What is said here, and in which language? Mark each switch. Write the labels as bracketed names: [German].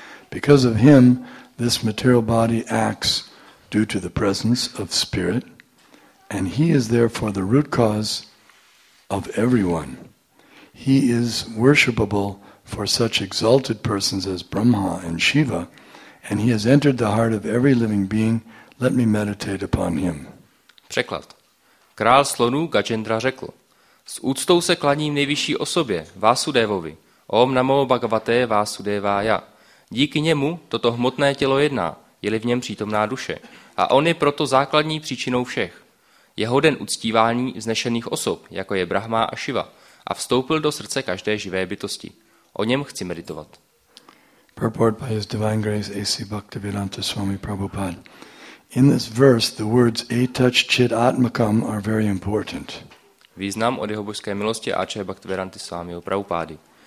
[English] Because of him, this material body acts due to the presence of spirit, and he is therefore the root cause of everyone. He is worshipable for such exalted persons as Brahma and Shiva, and he has entered the heart of every living being. Let me meditate upon him. [Czech] Překlad. Král slonů Gajendra řekl, s úctou se klaním nejvyšší osobě, Vasudevovi, [Sanskrit] Om namo bhagavate vasudevaya. [Czech] Díky němu toto hmotné tělo jedná, je-li v něm přítomná duše, a on je proto základní příčinou všech. Je hoden uctívání vznešených osob, jako je Brahma a Shiva, a vstoupil do srdce každé živé bytosti. O něm chci meditovat. [English] Purport by His Divine Grace A.C. Bhaktivedanta Swami Prabhupada. In this verse, the words etach chit atmakam are very important. [Czech] Význam od jeho božské milosti Ače Bhaktivedanta Swami Prabhupady.